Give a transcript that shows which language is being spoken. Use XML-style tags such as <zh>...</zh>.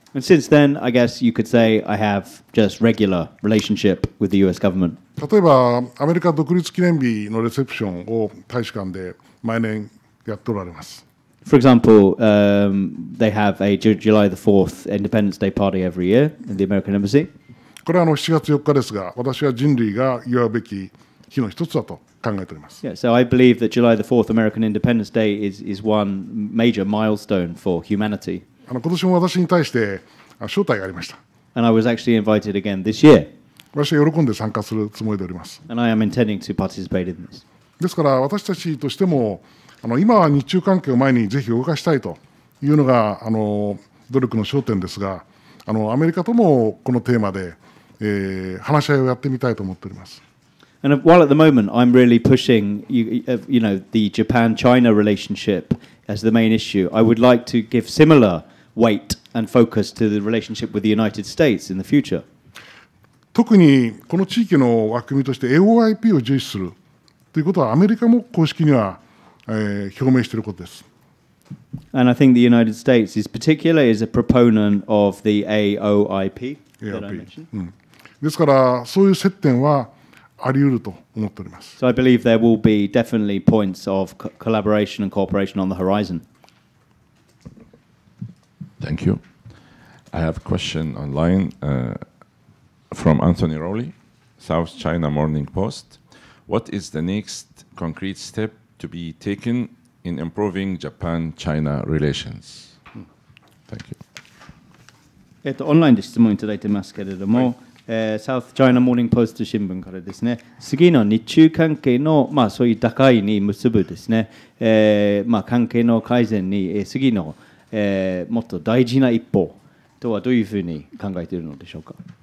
<en>And since then, I guess you could say I have just regular relationship with the U.S. government.</en> <ja>例えばアメリカ独立記念日のレセプションを大使館で毎年やっておられます。</ja> <en>For example, they have a July the 4th Independence Day party every year in the American Embassy.</en> <ja>これは7月4日ですが、私は人類が祝うべき日の一つだと考えております。</ja> <en>Yeah, so I believe that July the 4th American Independence Day is one major milestone for humanity.</en> <ja>今年も私に対して招待がありました。</ja> <en>And I was actually invited again this year.</en> <ja>私は喜んで参加するつもりでおります。</ja> <en>And I am intending to participate in this.</en> <ja>ですから私たちとしても今は日中関係を前にぜひ動かしたいというのが努力の焦点ですが、アメリカともこのテーマで、話し合いをやってみたいと思っております。</ja> <en>And while at the moment I'm really pushing you know, the Japan-China relationship as the main issue, I would like to give similar weight and focus to the relationship with the United States in the future.</en> <ja>特にこの地域の枠組みとして AOIP を重視するということはアメリカも公式には、表明していることです。</ja> <en>And I think the United States is particularly is a proponent of the AOIP that I mentioned.、</en> <ja>うん、ですからそういう接点はあり得ると思っております。</ja> <en>So I believe there will be definitely points of collaboration and cooperation on the horizon. Thank you. I have a question online from Anthony Rowley, South China Morning Post. What is the next concrete step to be taken in improving Japan-China relations? Thank you.</en> <ja>オンラインで質問いただいてますけれども、はい、サウスチャイナモーニングポスト新聞からですね、次の日中関係の、まあ、そういう打開に結ぶですね、まあ、関係の改善に、次の、もっと大事な一歩とはどういうふうに考えているのでしょうか。</ja>